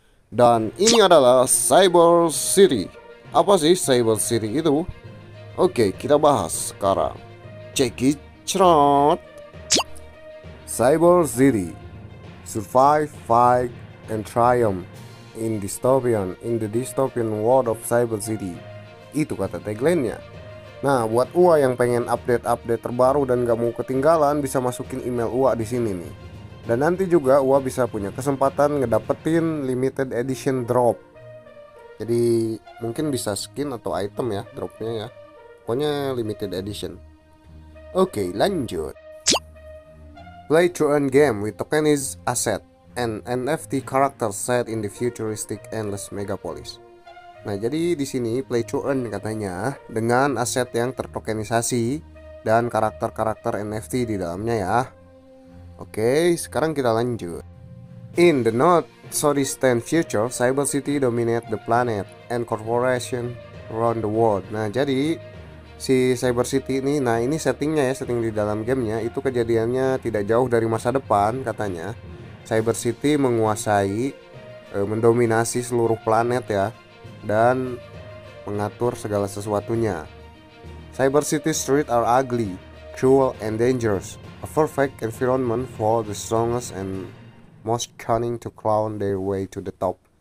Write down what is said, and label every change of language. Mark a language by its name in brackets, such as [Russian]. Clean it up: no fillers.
[Indonesian] Dan ini adalah Cyber City. Apa sih Cyber City itu? Oke, kita bahas sekarang. [English] Check it, chat. Cyber City. Survive, fight, and triumph in dystopian, in the dystopian world of Cyber City. [Indonesian] Itu kata tagline-nya. Nah, buat uwa yang pengen update-update terbaru dan gak mau ketinggalan, bisa masukin email uwa di sini nih. Dan nanti juga uwa bisa punya kesempatan ngedapetin limited edition drop. Jadi mungkin bisa skin atau item ya dropnya ya. Pokoknya limited edition. Oke, lanjut. [English] Play to earn game with tokenized asset and NFT character set in the futuristic endless megapolis. [Indonesian] Nah, jadi di sini play to earn katanya dengan aset yang tertokenisasi dan karakter-karakter NFT di dalamnya ya. Oke, sekarang kita lanjut. [English] In the not so distant future, Cyber City dominate the planet and corporation run the world. [Indonesian] Nah, jadi si Cyber City ini, nah ini settingnya ya, setting di dalam gamenya itu kejadiannya tidak jauh dari masa depan katanya. Cyber City menguasai, mendominasi seluruh planet ya, dan mengatur segala sesuatunya. [English] Cyber City streets are ugly, cruel, and dangerous. A perfect environment for the strongest and most cunning to clown their way to the top.